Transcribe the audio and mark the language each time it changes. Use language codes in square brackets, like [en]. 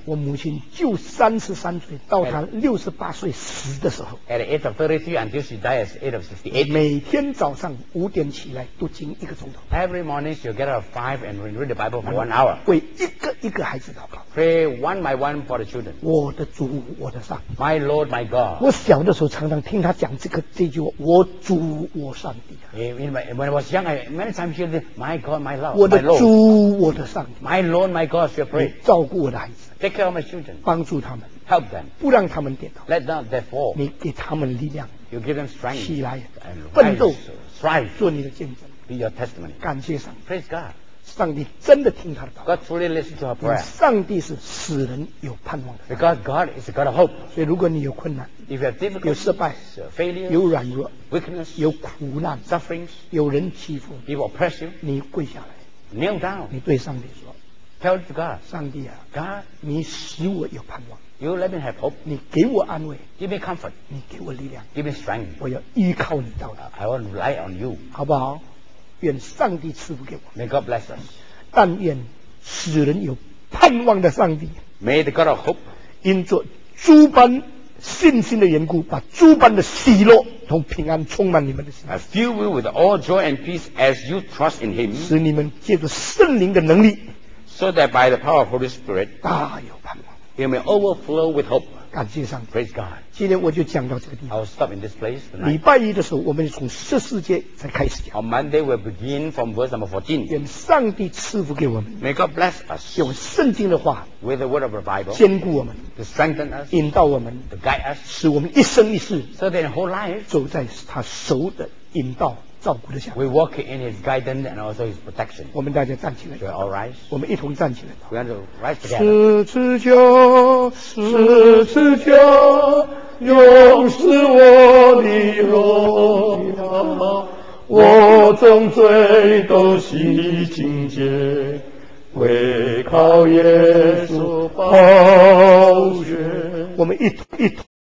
[zh] 我母亲就33岁，到她68岁死的时候。 [en] At the age of 33 until she died at age of 68. [zh] 每天早上5点起来读经一个钟头。 [en] Every morning she'll get up at 5 and read the Bible for 1 hour. [zh] 为一个孩子祷告。 [en] Pray one by one for the children. [zh] 我的主，我的上。 [en] My Lord, my God. [zh] 我小的时候常常听她讲这句话，我主，我上帝。 [en] When I was young, I many times hear this, My God, my Lord. [zh] 我的主，我的上。 [en] My Lord, my God, she'll pray. [zh] 照顾我的。 [en] Take care of my children. [zh] 帮助他们 [en] ，help them. [zh] 不让他们跌倒 [en] ，let not they fall. [zh] 你给他们力量 [en] ，you give them strength. [zh] 起来 [en] ，and rise, [zh] 奋斗 [en] ，strive. [zh] 做你的见证 [en] ，be your testimony. [zh] 感谢上帝 [en] ，praise God. [zh] 上帝真的听他的祷告 [en] ，God truly listens to her prayer. [zh] 上帝是使人有盼望的 [en] ，because God is a God of hope. [zh] 所以如果你有困难 [en] ，if you have difficulty, [zh] 有失败 [en] ，failure, [zh] 有软弱 [en] ，weakness, [zh] 有苦难 [en] ，sufferings, [zh] 有人欺负 [en] ，people oppress you. [zh] 你跪下来 [en] ，kneel down. [zh] 你对上帝说。 [en] Tell to God, [zh] 上帝啊 [en] ，God， [zh] 你使我有盼望。 [en] You let me have hope. [zh] 你给我安慰。 [en] Give me comfort. [zh] 你给我力量。 [en] Give me strength. [zh] 我要依靠你到底。 [en] I want to rely on you. [zh] 好不好？愿上帝赐福给我。 [en] May God bless us. [zh] 但愿使人有盼望的上帝。 [en] May the God of hope. [zh] 因着诸般信心的缘故，把诸般的喜乐同平安充满你们的心。 [en] I fill you with all joy and peace as you trust in Him. [zh] 使你们借着圣灵的能力。 [en] So that by the power of Holy Spirit, [zh] 大有盼望 [en] you may overflow with hope. [zh] 感谢上帝 [en] Praise God. [zh] 今天我就讲到这个地方 [en] I'll stop in this place tonight. [zh] 礼拜一的时候我们从14节才开始讲 [en] On Monday we'll begin from verse number 14. [zh] 愿上帝赐福给我们 [en] May God bless us. [zh] 用圣经的话 [en] With the word of the Bible. [zh] 坚固我们 [en] To strengthen us. [zh] 引导我们 [en] To guide us. [zh] 使我们一生一世 [en] So that in whole life. [zh] 走在他熟的引导照顾的下 [en] We walk in His guidance and also His protection. [zh] 我们大家站起来 [en] We all rise. [zh] 我们一同站起来 [en] We want to rise together. [zh] 十字架，十字架，永是我的荣耀。我从罪都洗净洁，唯靠耶稣宝血。我们一同。